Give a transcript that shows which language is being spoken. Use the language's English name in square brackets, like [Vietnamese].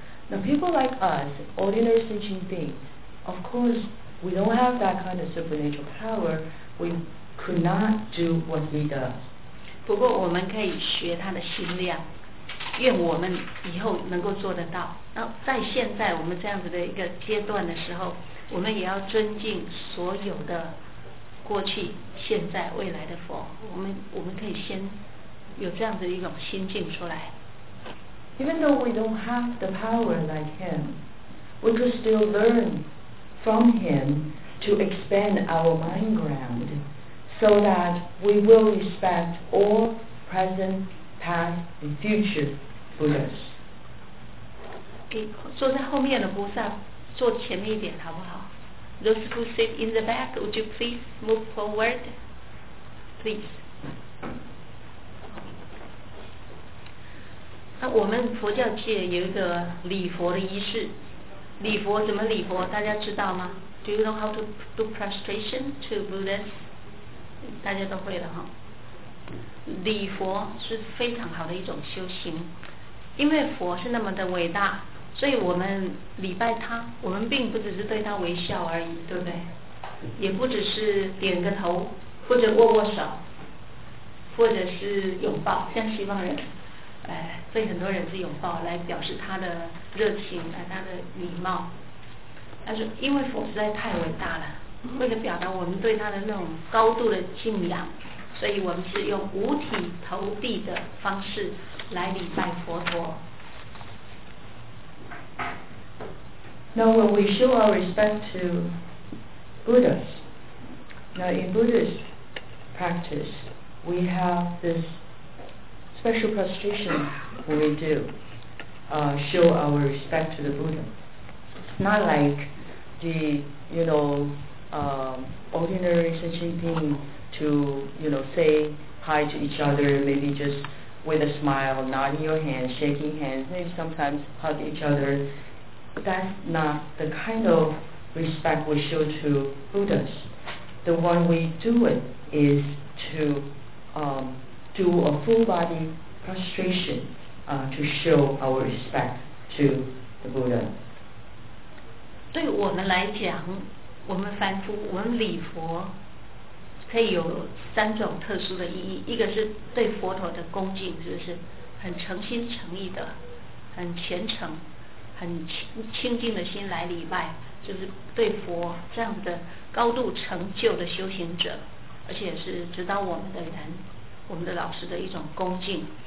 [English] Now people like us, ordinary sentient beings, of course we don't have that kind of supernatural power, we could not do what he does. [Chinese] 不过我们可以学他的心量，愿我们以后能够做得到。那在现在我们这样子的一个阶段的时候，我们也要尊敬所有的过去、现在、未来的佛。我们可以先有这样的一种心境出来。 [English] Even though we don't have the power like him, we could still learn from him to expand our mind ground so that we will respect all present, past, and future Buddhas. [Chinese] 给坐在后面的菩萨坐前面一点好不好？ [English] Those who sit in the back, would you please move forward? Please. [Chinese] 那我们佛教界有一个礼佛的仪式，礼佛怎么礼佛？大家知道吗？ Do you know how to do prostration to Buddhas? 大家都会了哈。礼佛是非常好的一种修行，因为佛是那么的伟大，所以我们礼拜他，我们并不只是对他微笑而已，对不对？也不只是点个头，或者握握手，或者是拥抱，像西方人。所以很多人是拥抱来表示他的热情，他的礼貌。但是因为佛实在太伟大了，为了表达我们对他的那种高度的敬仰，所以我们是用五体投地的方式来礼拜佛陀。 [English] Now when we show our respect to Buddhas, now in Buddhist practice, we have this. Special prostration when we do show our respect to the Buddha. Not like the, you know, ordinary sentient being to, you know, say hi to each other, maybe just with a smile, nodding your hands, shaking hands, maybe sometimes hug each other. That's not the kind of respect we show to Buddhas. The one we do it is to do a full bodyfrustration to show our respect to the Buddha. [Chinese] 对我们来讲，我们凡夫，我们礼佛可以有三种特殊的意义。一个是对佛陀的恭敬，就是很诚心诚意的，很虔诚，很清净的心来礼拜，就是对佛这样的高度成就的修行者，而且是指导我们的人，我们的老师的一种恭敬。